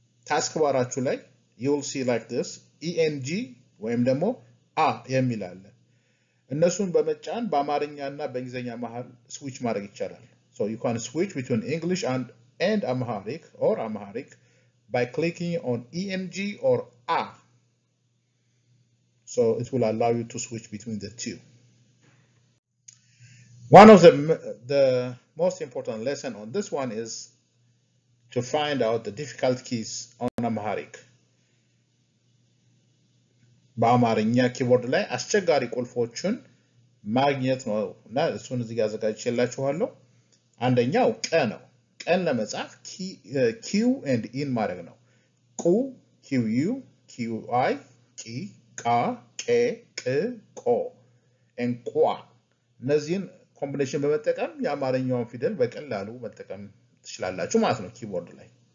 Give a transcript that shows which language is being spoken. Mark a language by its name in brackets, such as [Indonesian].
[Amharic] ታስክ ባራችሁ ላይ [English] you will see like this [Amharic] ENG ወይም ደግሞ A የሚል አለ። እነሱን በመጫን በአማርኛ እና በእንግሊዘኛ መሃል ስዊች ማድረግ ይቻላል። [English] So you can switch between English and Amharic or Amharic by clicking on ENG or A. So it will allow you to switch between the two. One of the most important lesson on this one is to find out the difficult keys on Amharic. [Amharic] በአማርኛ ኪቦርድ ላይ አስቸጋሪ ቁልፎችን ማግኘት ነው እና እሱን እዚህ ጋር አዘጋጅቼላችኋለሁ። አንደኛው ቀ ነው። ቀን ለመጻፍ ኪው ኤንድ ኢን ማድረግ ነው። ቁ ኪው ዩ ኪው አይ ቂ ቃ ቄ ቅ ቆ ኤንድ ቋ። እነዚህን ኮምቢኔሽን በመጠቀም የአማርኛውን ፊደል በቀላሉ መጠቀም ትችላላችሁ ማለት ነው ኪቦርድ ላይ።